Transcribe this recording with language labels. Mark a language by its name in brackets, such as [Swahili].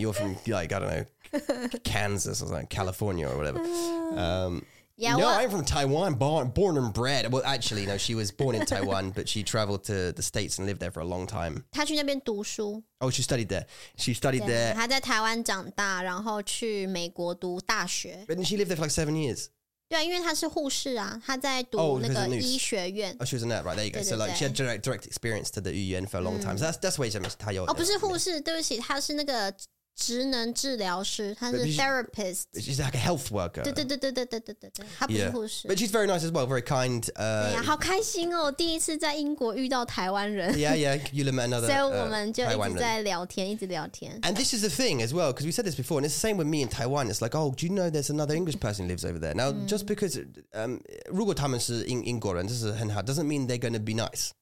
[English] You're from, like, I don't know, Kansas or something, California or whatever. I'm from Taiwan, born and bred. Well, actually, no, she was born in Taiwan, but she traveled to the States and lived there for a long time. [Chinese] 她去那边读书。 [English] Oh, she studied there. She studied there. [Chinese] 她在台湾长大，然后去美国读大学。 [English] But then she lived there for like 7 years. [Chinese] 对啊，因为她是护士啊，她在读那个医学院。 [English] Oh, she was a nurse, right, there you go. [Chinese] 对对对。 [English] So like, she had direct experience to the 语言 for a long time. So that's why she was [Chinese] 她有。哦，不是护士，对不起，她是那个职能治疗师，她是 therapist. [English] She's like a health worker. [Chinese] 对对对对对对对对，她不是护士。 [English] Yeah. But she's very nice as well, very kind. [Chinese] 对呀，好开心哦！第一次在英国遇到台湾人。 [English] Yeah, yeah, you met another. [Chinese] 所以我们就一直在聊天，一直聊天。 [English] And this is the thing as well, because we said this before, and it's the same with me in Taiwan. It's like, oh, do you know there's another English person who lives over there? Now, just because [Chinese] 如果他们是英国人，这是很好 [English] ，doesn't mean they're going to be nice.